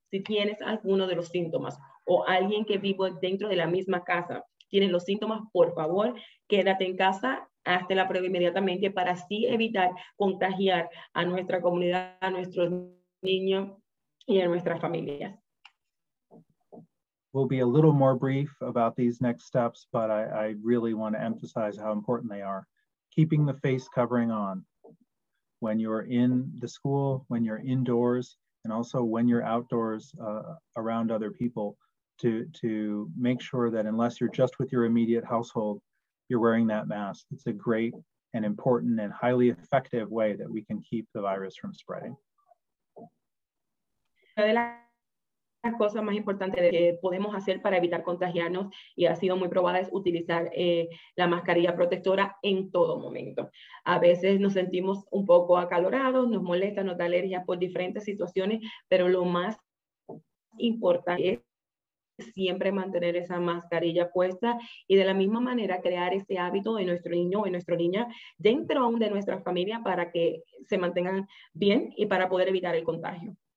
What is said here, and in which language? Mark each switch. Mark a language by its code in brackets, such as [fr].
[es] Si tienes alguno de los síntomas o alguien que vive dentro de la misma casa tiene los síntomas, por favor, quédate en casa. Hazte la prueba inmediatamente para así evitar contagiar a nuestra comunidad, a nuestros niños y a nuestras familias. [en] We'll be a little more brief about these next steps, but I really want to emphasize how important they are. Keeping the face covering on when you're in the school, when you're indoors, and also when you're outdoors around other people, to make sure that unless you're just with your immediate household, you're wearing that mask. It's a great and important and highly effective way that we can keep the virus from spreading. [es] Una de las cosas más importantes que podemos hacer para evitar contagiarnos y ha sido muy probada es utilizar la mascarilla protectora en todo momento. A veces nos sentimos un poco acalorados, nos molesta, nos da alergia por diferentes situaciones, pero lo más importante es siempre mantener esa mascarilla puesta y de la misma manera crear ese hábito de nuestro niño o de nuestra niña dentro aún de nuestra familia para que se mantengan bien y para poder evitar el contagio.